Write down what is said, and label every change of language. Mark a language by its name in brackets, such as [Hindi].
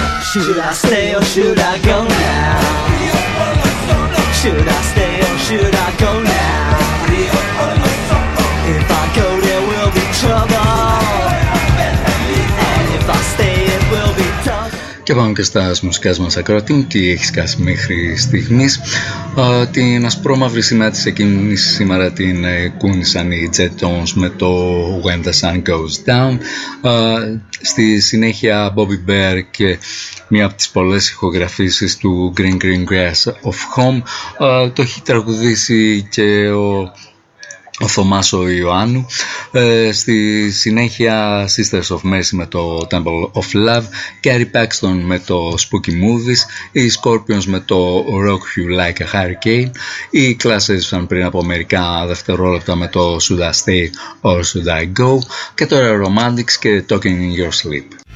[English] Should I stay or should I go now? Should I stay or should I go now? If I go, there will be trouble. And if I stay, it will be tough. [Greek] Και πάμε και στα μουσικά μας ακρότη. Τι έχεις κάσει μέχρι στιγμής? Την ασπρόμαυρη συνάντηση εκείνης σήμερα την κούνησαν οι Jet Tones με το When the Sun Goes Down. Στη συνέχεια Bobby Bear και μία από τις πολλές ηχογραφήσεις του Green Green Grass of Home. Το έχει τραγουδήσει και ο Θωμάς ο Ιωάννου. Στη συνέχεια Sisters of Mercy με το Temple of Love, Kerry Paxton με το Spooky Movies, οι Scorpions με το Rock You Like a Hurricane, οι Classes ήταν πριν από μερικά δευτερόλεπτα με το Should I Stay or Should I Go, και τώρα Romantics και Talking in Your Sleep.